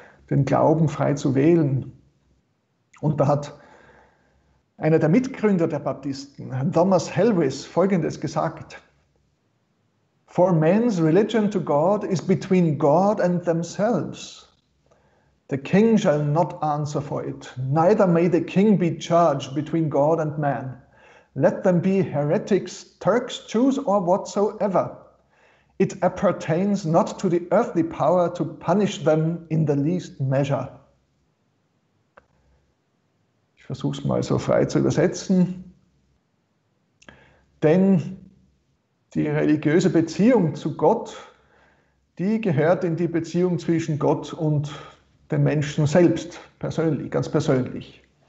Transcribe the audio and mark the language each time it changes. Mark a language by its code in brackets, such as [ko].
[de] Den Glauben frei zu wählen. Und da hat einer der Mitgründer der Baptisten, Thomas Helwys, Folgendes gesagt: [en] For man's religion to God is between God and themselves. The king shall not answer for it. Neither may the king be judged between God and man. Let them be heretics, Turks, Jews, or whatsoever. It appertains not to the earthly power to punish them in the least measure. [de] Ich versuche es mal so frei zu übersetzen. Denn die religiöse Beziehung zu Gott, die gehört in die Beziehung zwischen Gott und dem Menschen selbst, persönlich, ganz persönlich.